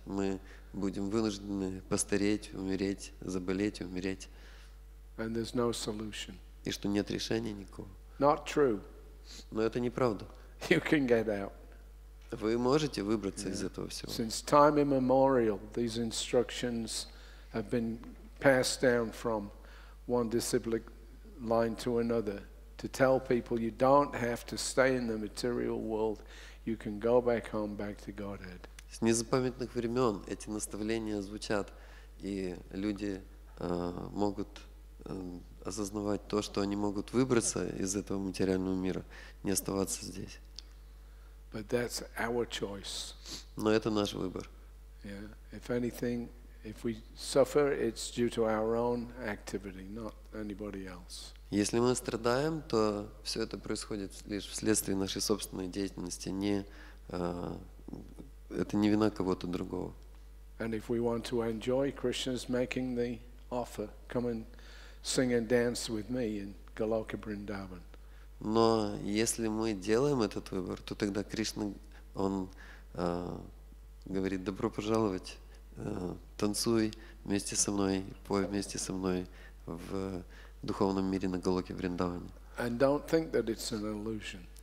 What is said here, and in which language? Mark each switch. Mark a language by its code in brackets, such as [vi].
[ru] Мы будем вынуждены постареть, умереть, заболеть, умереть. [en] No. [ru] И что нет решения никакого. [en] Not true. [ru] Но это неправда. [en] You can get out. [ru] Вы можете выбраться, yeah, из этого всего. [en] Since time immemorial, these instructions have been passed down from one disciple line to another. To tell people you don't have to stay in the material world, you can go back home, back to Godhead. [ru] С незапамятных времен эти наставления звучат, и люди могут осознавать то, что они могут выбраться из этого материального мира, не оставаться здесь. [en] But that's our choice. [ru] Но это наш выбор. [en] Yeah. If anything, If we suffer, it's due to our own activity, not anybody else. [ru] Если мы страдаем, то все это происходит лишь вследствие нашей собственной деятельности, не это не вина кого-то другого. [en] And if we want to enjoy, Krishna's making the offer, come and sing and dance with me in Goloka Vrindavan. [ru] Но если мы делаем этот выбор, то тогда Кришна, он говорит: добро пожаловать, танцуй вместе со мной, пой вместе со мной в духовном мире на Голоке Вриндаване. [en] And don't think that it's an illusion.